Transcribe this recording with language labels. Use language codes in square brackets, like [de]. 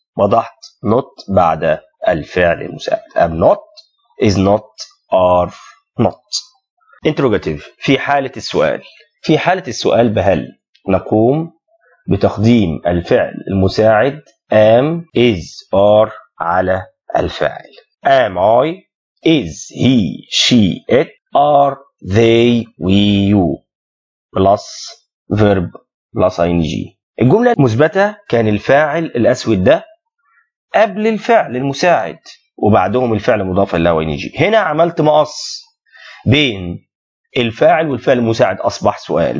[ar] وضحت [en] not [ar] بعد الفعل المساعد. [en] I'm not, is not, are not. [ar] Interrogative في حالة السؤال. في حالة السؤال بهل نقوم بتقديم الفعل المساعد am, is, are على الفعل. [en] Am I, is he, she, it, are they, we, you. plus verb plus ing. [ar] الجملة مثبتة كان الفاعل الأسود ده قبل الفعل المساعد وبعدهم الفعل المضاف له ing. هنا عملت مقص بين الفاعل والفعل المساعد أصبح سؤال.